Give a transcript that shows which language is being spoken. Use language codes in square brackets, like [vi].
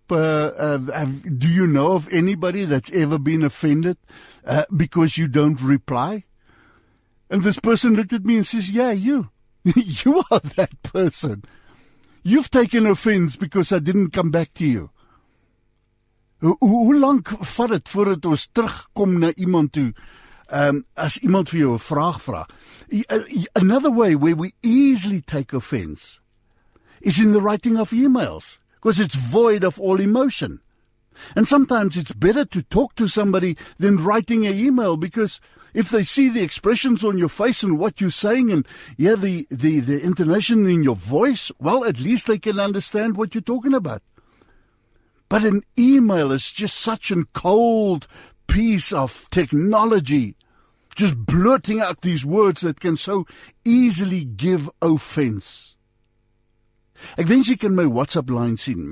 [en] Do you know of anybody that's ever been offended because you don't reply? And this person looked at me and says, yeah, you. You are that person. You've taken offense because I didn't come back to you. [af] Hoe lang vat het voor het ons terugkom na iemand toe? As iemand vir jou 'n vraag vra. [en] Another way where we easily take offense is in the writing of emails, because it's void of all emotion. And sometimes it's better to talk to somebody than writing an email, because if they see the expressions on your face and what you're saying and yeah, the intonation in your voice, well, at least they can understand what you're talking about. But an email is just such a cold piece of technology, just blurting out these words that can so easily give offense. [af] Ek wens jy kan my WhatsApp lyn sien.